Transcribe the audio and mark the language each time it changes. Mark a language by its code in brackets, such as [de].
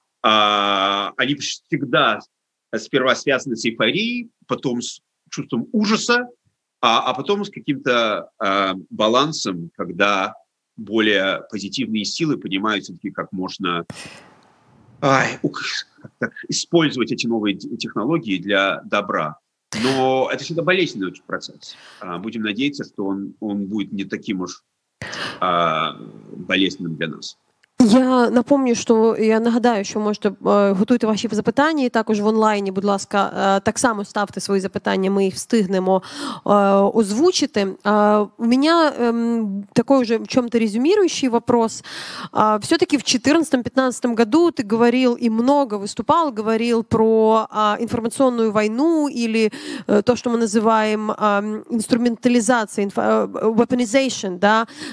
[ru] Они всегда сперва связаны с эйфорией, потом с чувством ужаса, а потом с каким-то балансом, когда более позитивные силы понимают все-таки, как можно использовать эти новые технологии для добра. Но это всегда болезненный очень процесс. Будем надеяться, что он будет не таким уж болезненным для нас. Я напомню, [uk] що я нагадаю, що можете готуйте ваші запитання, і також в онлайні, будь ласка, так само ставте свої запитання, ми їх встигнемо озвучити. У мене [ru] такой уже в чем-то резюмирующий вопрос. Все-таки в 2014-2015 году ты говорил и много выступал, говорил про информационную войну или то, что мы называем инструментализацией, weaponization, да,